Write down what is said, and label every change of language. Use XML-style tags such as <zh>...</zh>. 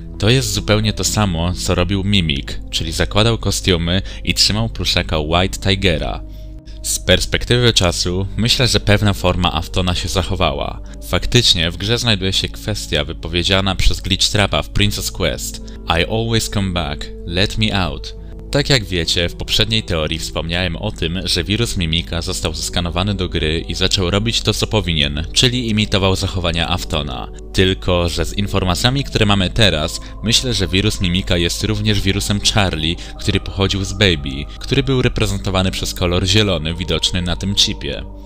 <pl>To jest zupełnie to samo, co robił Mimik, czyli zakładał kostiumy i trzymał pluszeka White Tigera. Z perspektywy czasu, myślę, że pewna forma Aftona się zachowała. Faktycznie w grze znajduje się kwestia wypowiedziana przez Glitchtrapa w Princess Quest.</pl> <en>I always come back, let me out.</en> <pl>Tak jak wiecie, w poprzedniej teorii wspomniałem o tym, że wirus Mimika został zeskanowany do gry i zaczął robić to, co powinien, czyli imitował zachowania Aftona. Tylko, że z informacjami, które mamy teraz, myślę, że wirus Mimika jest również wirusem Charlie, który pochodził z Baby, który był reprezentowany przez kolor zielony widoczny na tym chipie.</pl>